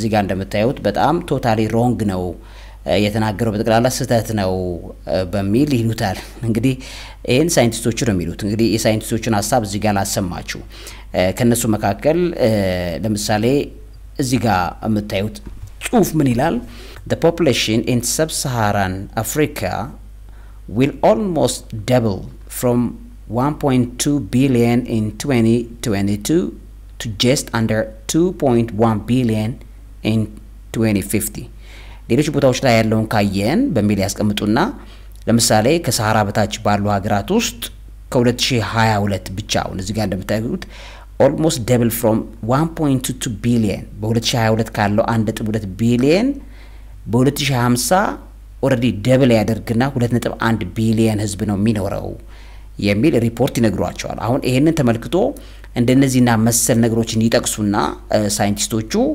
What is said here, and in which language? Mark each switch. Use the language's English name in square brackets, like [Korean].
[Amharic] እዚህ ጋር እንደምታዩት በጣም [English] totally wrong [Amharic] ነው የተናገረው በጠቅላላ ስህተት ነው በሚል ይሉታል። እንግዲህ ይሄን ሳይንቲስቶቹ ነው የሚሉት። እንግዲህ የሳይንቲስቶቹን ሐሳብ እዚህ ጋር አሰማችሁ። ከነሱ መካከል ለምሳሌ እዚህ ጋር የምታዩት ጽሑፍ ምን ይላል? [English] The population in sub-Saharan Africa will almost double from 1.2 billion in 2022 to just under 2.1 billion in 2050. [Amharic] ሌሎች ቦታዎች ላይ ያለውን ካየን በሚል ያስቀምጡና ለምሳሌ ከሰሃራ በታች ባሉ ሀገራት ውስጥ ከ2022 ብቻ አሁን እዚህ ጋር እንደምታዩት [English] almost double from 1.22 billion [Amharic] በ2022 ካለው [English] 1.2 billion [Amharic] በ2050 ኦሬዲ ደብል ያደርግና 2.1 ቢሊየን ህዝብ ነው የሚኖረው የሚል ሪፖርት ይነግሯቸዋል። አሁን ይሄንን ተመልክቶ እንደነዚህና መሰል ነገሮችን ይጠቅሱና ሳይንቲስቶቹ